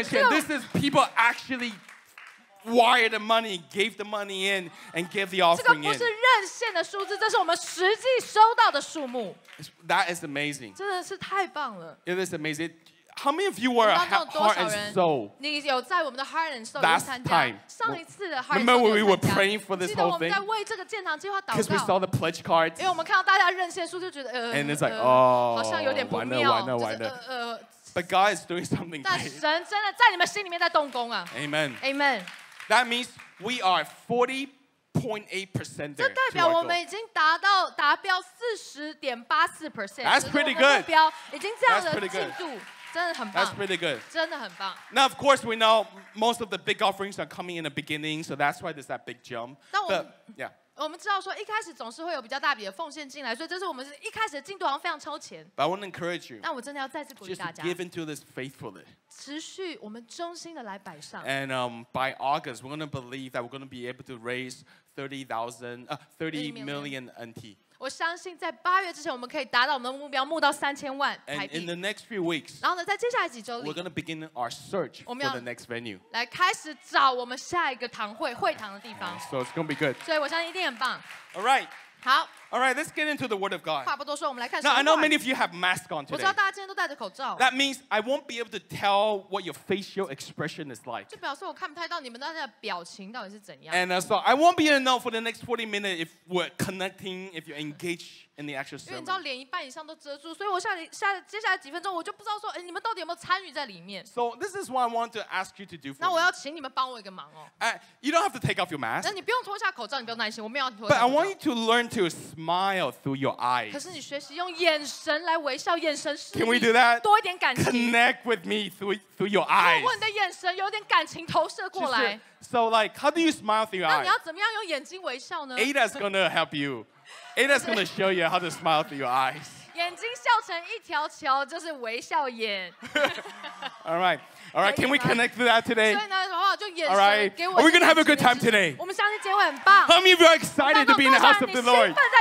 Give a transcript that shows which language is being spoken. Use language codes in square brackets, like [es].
[en] 12,523,923 Wired the money, gave the money in, and gave the offering in. [zh] 这个不是任性的数字，这是我们实际收到的数目。 [en] That is amazing. [zh] 真的是太棒了。 [en] It is amazing. How many of you were heart and soul? [zh] 你有在我们的 heart and soul 参加 [en] last time? [zh] 上一次的 [en] heart and soul. Remember when we were praying for this whole thing? [zh] 记得我们在为这个建堂计划祷告。 [en] Because we saw the pledge cards. [zh] 因为我们看到大家任性数就觉得 [en] And it's like, oh, [zh] 好像有点不妙。完了。 [en] But God is doing something great. [zh] 但神真的在你们心里面在动工啊。 [en] Amen. Amen. That means we are 40.8% there. [zh] 这代表我们已经达标 40.84%. [en] That's pretty good. [zh] 目标已经这样的进度，真的很棒。 [en] That's pretty good. [zh] 真的很棒。 [en] Now, of course, we know most of the big offerings are coming in the beginning, so that's why there's that big jump. But yeah, [zh] 我们知道说一开始总是会有比较大笔的奉献进来，所以这是我们一开始的进度好像非常超前。 [en] But I want to encourage you. [zh] 那我真的要再次鼓励大家。 [en] Just give into this faithfully. [zh] 持续我们衷心的来摆上。 [en] And by August, we're going to believe that we're going to be able to raise 30 million NT. [zh] 我相信在八月之前，我们可以达到我们的目标，募到3000万台币。 [en] And in the next few weeks, [zh] 然后呢，在接下来几周里 [en] ，we're going to begin our search for the next venue. [zh] 来开始找我们下一个堂会会堂的地方。 [en] So it's going to be good. [zh] 所以我相信一定很棒。 [en] All right. [zh] 好 [en] All right, let's get into the Word of God. [zh] 话不多说，我们来看。 [en] Now I know many of you have masks on today. [zh] 我知道大家今天都戴着口罩。 [en] That means I won't be able to tell what your facial expression is like. [zh] 就表示我看不太到你们大家的表情到底是怎样。 [en] And so I won't be able to know for the next 40 minutes if we're connecting, if you're engaged in the actual sermon. [zh] 因为你知道脸一半以上都遮住，所以我接下来几分钟我就不知道说，你们到底有没有参与在里面。 [en] So this is what I want to ask you to do for. [zh] 那我要请你们帮我一个忙哦。 [en] You don't have to take off your mask. [zh] 那你不用脱下口罩，你不用担心，我没有要脱。 [en] But I want you to learn to smile through your eyes. [zh] 可是你学习用眼神来微笑，眼神是。 [en] Can we do that? [zh] 多一点感情。 [en] Connect with me through your eyes. [zh] 用你的眼神有点感情投射过来。 [en] So like, how do you smile through your eyes? [zh] 那你要怎么样用眼睛微笑呢 [en] ？Ada's gonna help you. Ada's gonna show you how to smile through your eyes. [zh] 眼睛笑成一条桥，就是微笑眼。 [en] All right. All right, can we connect to that today? All right, are we going to have a good time today? How many of you are excited to be in the house of the Lord?